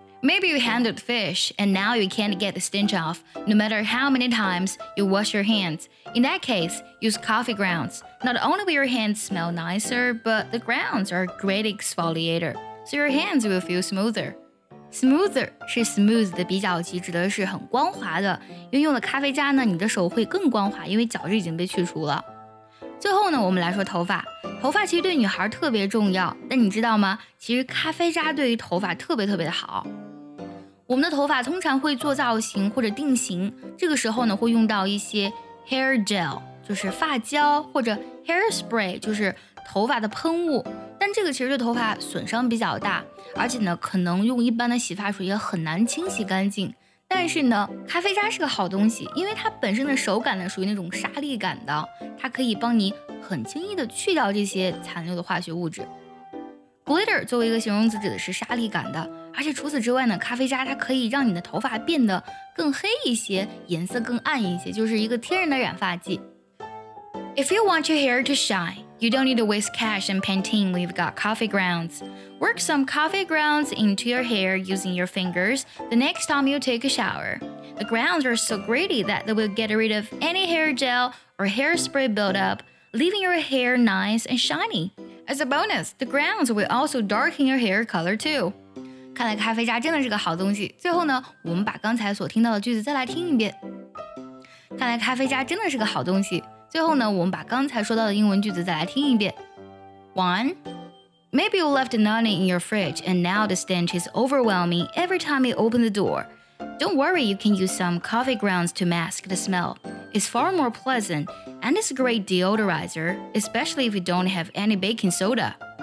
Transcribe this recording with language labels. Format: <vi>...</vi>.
<en>Maybe you handled fish and now you can't get the stench off no matter how many times you wash your handsIn that case, use coffee grounds. Not only will your hands smell nicer, but the grounds are a great exfoliator, so your hands will feel smoother.</en> <zh>Smoother 是 smooth 的比较级，指的是很光滑的。因为用了咖啡渣呢，你的手会更光滑，因为角质已经被去除了。最后呢，我们来说头发。头发其实对女孩特别重要，但你知道吗？其实咖啡渣对于头发特别特别的好。我们的头发通常会做造型或者定型，这个时候呢，会用到一些hair gel， 就是发胶，或者 hairspray， 就是头发的喷雾。但这个其实对头发损伤比较大，而且呢可能用一般的洗发水也很难清洗干净。但是呢咖啡渣是个好东西，因为它本身的手感呢属于那种沙粒感的，它可以帮你很轻易的去掉这些残留的化学物质。 glitter 作为一个形容词指的是沙粒感的，而且除此之外呢，咖啡渣它可以让你的头发变得更黑一些，颜色更暗一些，就是一个天然的染发剂。</zh> <en>If you want your hair to shine, you don't need to waste cash and Pantene. We've got coffee grounds. Work some coffee grounds into your hair using your fingers the next time you take a shower. The grounds are so gritty that they will get rid of any hair gel or hairspray buildup, leaving your hair nice and shiny. As a bonus, the grounds will also darken your hair color too.</en> <zh>看来咖啡渣真的是个好东西。最后呢，我们把刚才所听到的句子再来听一遍。看来咖啡渣真的是个好东西。最后呢，我们把刚才说到的英文句子再来听一遍。</zh> <en>One, maybe you left Nani in your fridge and now the stench is overwhelming every time you open the door. Don't worry, you can use some coffee grounds to mask the smell. It's far more pleasant and it's a great deodorizer, especially if you don't have any baking soda.</en>